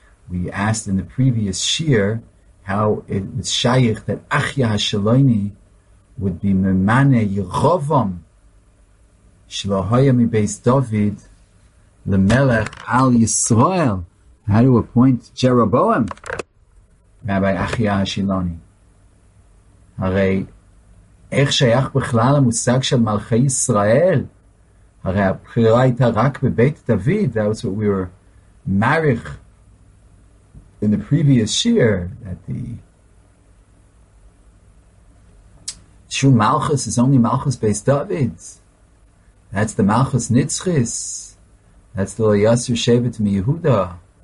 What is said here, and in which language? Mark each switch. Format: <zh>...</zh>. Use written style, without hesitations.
<en>We asked in the previous Shi'ur how it was Shayich that Achya HaShaloni would be Memane Yerovam Shlohoyami Beis David Lemelech Al Yisrael. How to appoint Jeroboam, Rabbi Achya HaShaloni.</en> <he>Hare. איך שייך בכלל המושג של מלכי ישראל? הרי הבחירה הייתה רק בבית דוד.</he> <en>That was what we were marich in the previous year, that the true malchus is only malchus beis David. That's the malchus nitzchis. That's the lo yasur shevet miyehuda.</en>